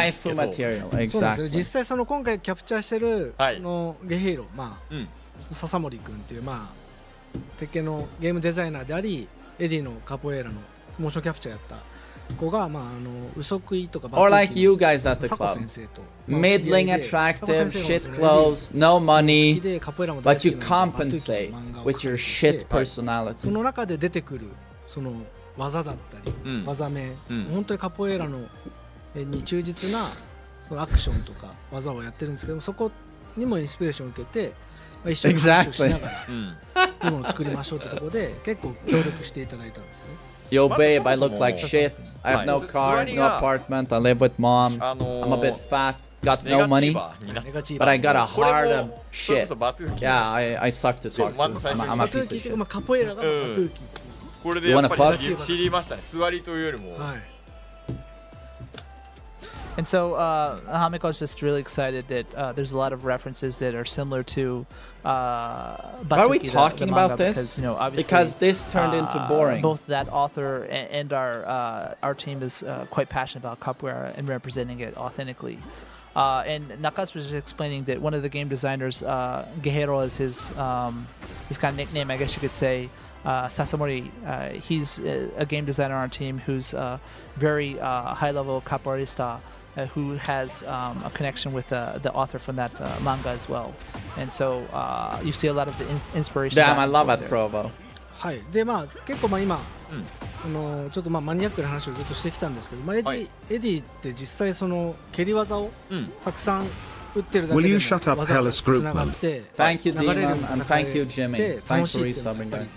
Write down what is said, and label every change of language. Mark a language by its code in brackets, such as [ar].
[ja] ですけど。 [en] Wife material, exactly. [ja] 実際その今回キャプチャーしてるのゲヘイロ、まあ、笹森くんっていうまあ鉄拳のゲームデザイナーであり、エディのカポエラのモーションキャプチャーやった子がまああの嘘食いとか。 [en] Or like you guys at the club. Middling attractive, shit clothes, no money, but you compensate with your shit personality. [ja] その中で出てくるその。技だったり、うん、技名、うん、本当にカポエラのに忠実なそのアクションとか技をやってるんですけど、そこにもインスピレーションを受けて、まあ、一緒に話をしながら、今を作りましょうってところで結構協力していただいたんですね。 [en] Yo babe, I look like shit. I have no car, no apartment. I live with mom. I'm a bit fat. Got no money, but I got a heart of shit. Yeah, I sucked at boxes. I'm a piece of shit. [ja] カポエラがバトゥーキ。これでやっぱり知りましたね。座りというよりも、はい、 [en] And so Hamiko is just really excited that there's a lot of references that are similar to Batsuki. Are we talking the about this? Because, you know, obviously, because this turned into boring. Both that author and our team is quite passionate about Capoeira and representing it authentically. And Nakas was just explaining that one of the game designers, Guerrero is his kind of nickname, I guess you could say, Sasamori. He's a game designer on our team who's a very high-level capoeirista who has a connection with the author from that manga as well. And so you see a lot of the inspiration. Damn, I love that promo. Hi. Then, [ja] ma, 結構ま今、このちょっとまマニアックな話をずっとしてきたんですけど、まエディ、はい、エディって実際その蹴り技をたくさん打ってるだけで技がつながって、流れるみたいな感 [en] じ。Thank you, Demon, and thank you, Jimmy. Thanks for resubbing.